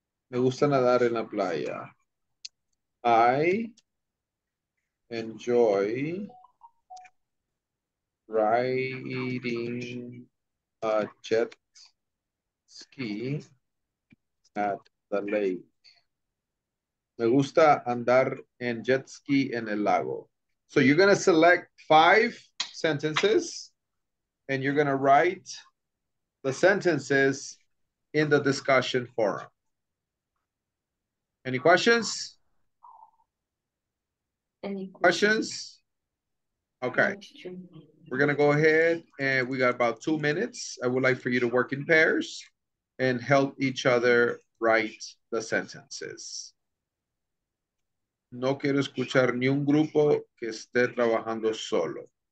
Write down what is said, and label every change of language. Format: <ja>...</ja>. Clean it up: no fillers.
<es>Me gusta nadar en la playa.</es> <en>I enjoy riding a jet ski at the lake.</en> <es>Me gusta andar en jet ski en el lago.</es> <en>So you're going to select 5 sentences and you're going to write the sentences in the discussion forum. Any questions? Any questions? Okay. We're going to go ahead and we got about 2 minutes. I would like for you to work in pairs and help each other write the sentences.</en> <es>No quiero escuchar ni un grupo que esté trabajando solo.</es>